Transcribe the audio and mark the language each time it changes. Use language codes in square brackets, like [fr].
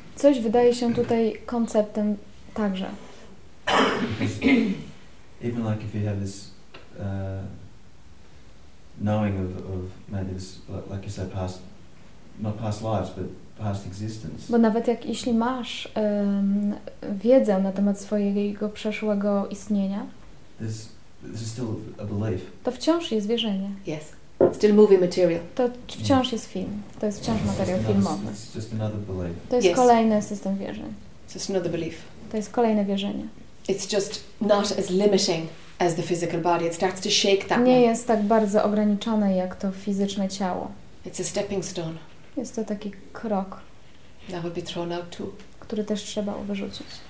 [pl] coś wydaje się tutaj konceptem także. [en] Even like if you have this knowing of maybe this, like you said, past, not past lives, but past existence. [pl] Bo nawet jak jeśli masz wiedzę na temat swojego przeszłego istnienia, [en] this is still a belief. [pl] To wciąż jest wierzenie. [en] Yes. Still movie material. [pl] To wciąż jest film. To jest wciąż materiał filmowy. [en] It's just another belief. [pl] To jest kolejny system wierzeń. [en] It's another belief. [pl] To jest kolejne wierzenie. [en] It's just not as limiting as the physical body. It starts to shake that. [pl] Nie jest tak bardzo ograniczone jak to fizyczne ciało. [en] It's a stepping stone. [pl] Jest to taki krok. [en] That will be thrown out too. [pl] Który też trzeba wyrzucić.